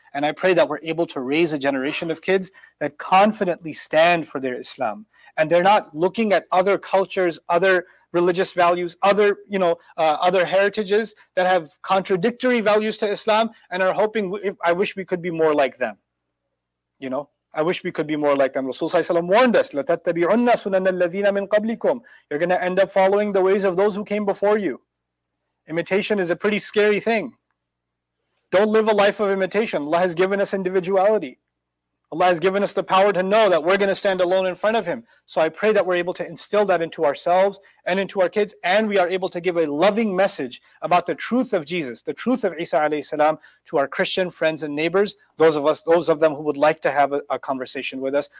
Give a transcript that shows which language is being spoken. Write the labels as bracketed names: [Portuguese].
[English] And I pray that we're able to raise a generation of kids that confidently stand for their Islam. And they're not looking at other cultures, other religious values, other heritages that have contradictory values to Islam and are hoping, I wish we could be more like them. You know, I wish we could be more like them. [Arabic] Rasulullah [English] warned us, [Arabic] لَتَتَّبِعُنَّ سُنَنَ الَّذِينَ مِنْ قَبْلِكُمْ. [English] You're going to end up following the ways of those who came before you. Imitation is a pretty scary thing. Don't live a life of imitation. Allah has given us individuality. Allah has given us the power to know that we're going to stand alone in front of Him. So I pray that we're able to instill that into ourselves and into our kids, and we are able to give a loving message about the truth of Jesus, the truth of Isa alayhi salam, to our Christian friends and neighbors, those of them who would like to have a conversation with us.